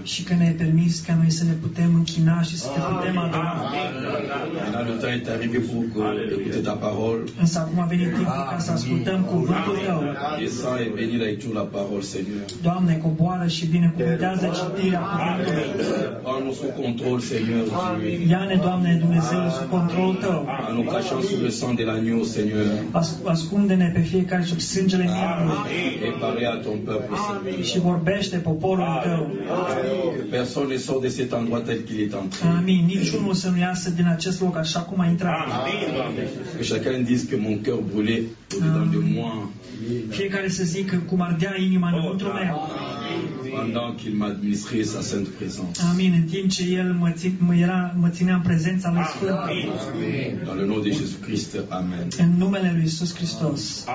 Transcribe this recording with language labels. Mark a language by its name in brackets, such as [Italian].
[Romanian] Și că ne-ai permis ca noi să ne putem închina și să te putem adora. Amen. [French] Le temps est arrivé pour écouter ta parole. [Romanian] Însă acum a venit timpul ca să ascultăm cuvântul tău. [French] Descend et bénis la lecture la parole, Seigneur. [Romanian] Doamne, coboară și binecuvântează citirea cuvântului. [French] Prends-nous sous contrôle, Seigneur. [Romanian] Ia-ne, Doamne, Dumnezeu, [French] sous contrôle [Romanian] tău. [French] En nous cachant sous le sang de l'agneau, Seigneur. [Romanian] Ascunde-ne pe fiecare sub sângele mielului. [French] Et parlez à ton peuple, Seigneur. [Romanian] Este poporul tău. [French] Personne ne sort de cet endroit tel qu'il est entré. Amin. [Romanian] Niciunul să nu iasă din acest loc așa cum a intrat. Amin. [French] Que chacun dise que mon cœur brûlait au-dedans de moi. [Romanian] Fiecare să zică cum ardea inima înăuntru meu. [French] Pendant qu'il m'administrait sa sainte présence. Amin. [Romanian] În timp ce el mă ținea în prezența lui Sfânt. Amin. [French] Dans le nom de Jésus Christ. Amen. [Romanian] În numele lui Iisus Hristos.